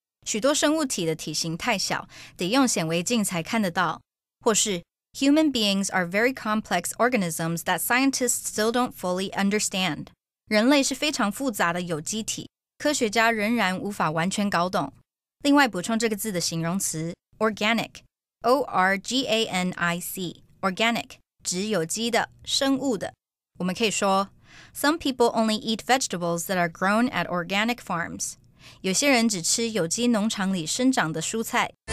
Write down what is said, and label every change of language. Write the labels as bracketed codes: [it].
[zh] 许多生物体的体型太小得用显微镜才看得到。或是 [en] ,human beings are very complex organisms that scientists still don't fully understand. [zh] 人类是非常复杂的有机体科学家仍然无法完全搞懂。另外补充这个字的形容词 ,organic,O-R-G-A-N-I-C, organic, 指有机的,生物的。我们可以说, [en] Some people only eat vegetables that are grown at organic farms. [zh] 有些人只吃有机农场里生长的蔬菜。